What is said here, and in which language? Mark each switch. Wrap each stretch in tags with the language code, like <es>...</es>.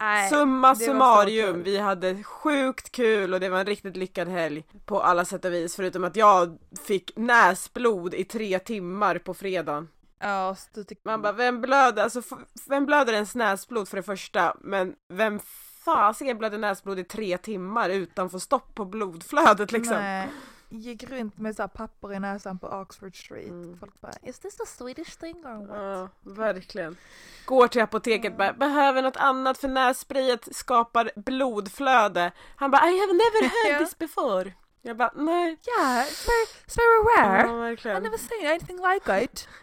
<sv>summa summarium, vi hade sjukt kul och det var en riktigt lyckad helg på alla sätt och vis, förutom att jag fick näsblod i 3 timmar på fredagen. Ja, man bara, vem blöder? Alltså, vem blöder ens näsblod för det första? Men vem fasen blöder näsblod i 3 timmar utan få stopp på blodflödet liksom? Nej. Gick runt med såhär papper i näsan på Oxford Street. Folk bara,</sv> <en>is this a Swedish thing or what?</en> <sv>Ja, verkligen. Går till apoteket, bara, behöver något annat för nässprayet skapar blodflöde. Han bara,</sv> <en>I have never heard this before.</en> <sv>Jag bara, nej.</sv> <en>Yeah, it's very rare.</en> <sv>Ja, verkligen.</sv> <en>I've never seen anything like it.</en>